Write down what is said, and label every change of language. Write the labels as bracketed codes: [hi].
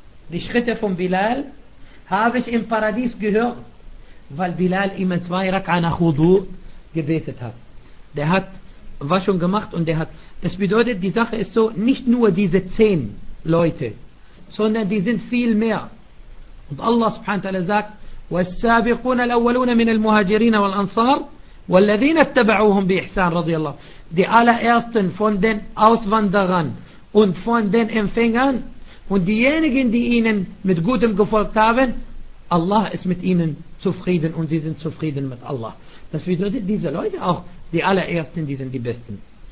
[de] Die Schritte von Bilal habe ich im Paradies gehört, weil Bilal immer zwei Rak'a nach Wudu gebetet hat. Der hat Waschung gemacht und der hat. Das bedeutet, die Sache ist so, nicht nur diese 10 Leute, sondern die sind viel mehr. Und Allah subhanahu wa ta'ala sagt, [ar] وَالسَّابِقُونَ الْأَوَّلُونَ مِنَ الْمُهَاجِرِينَ وَالْأَنصَارِ وَالَّذِينَ اتَّبَعُوهُمْ بِإِحْسَانِ رَضِيَ اللَّهُ. [de] Die allerersten von den Auswanderern und von den Empfängern und diejenigen, die ihnen mit Gutem gefolgt haben, Allah ist mit ihnen zufrieden und sie sind zufrieden mit Allah. Das bedeutet, diese Leute auch, die allerersten, die sind die Besten.